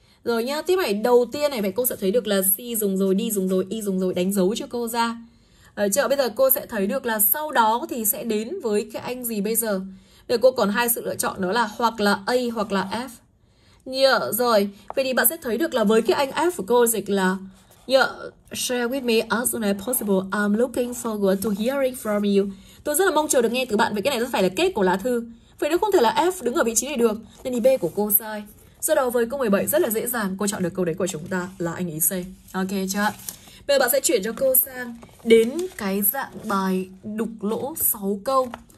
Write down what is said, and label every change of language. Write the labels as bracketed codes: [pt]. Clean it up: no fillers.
[vi] Rồi nhá, tiếp này, đầu tiên này, vậy cô sẽ thấy được là C dùng rồi, D dùng rồi, E dùng rồi, đánh dấu cho cô ra. Ở chợ bây giờ cô sẽ thấy được là sau đó thì sẽ đến với cái anh gì bây giờ? Để cô còn hai sự lựa chọn, đó là hoặc là A hoặc là F. Nhờ, rồi, vậy thì bạn sẽ thấy được là với cái anh F của cô dịch là [en] share with me as soon as possible. I'm looking forward to hearing from you. [vi] Tôi rất là mong chờ được nghe từ bạn. Vậy cái này rất phải là kết của lá thư. Vậy nó không thể là F đứng ở vị trí này được. Nên thì B của cô sai. Do đó với câu 17 rất là dễ dàng, cô chọn được câu đấy của chúng ta là anh ý C. Ok chưa? Bây giờ bạn sẽ chuyển cho cô sang đến cái dạng bài đục lỗ 6 câu.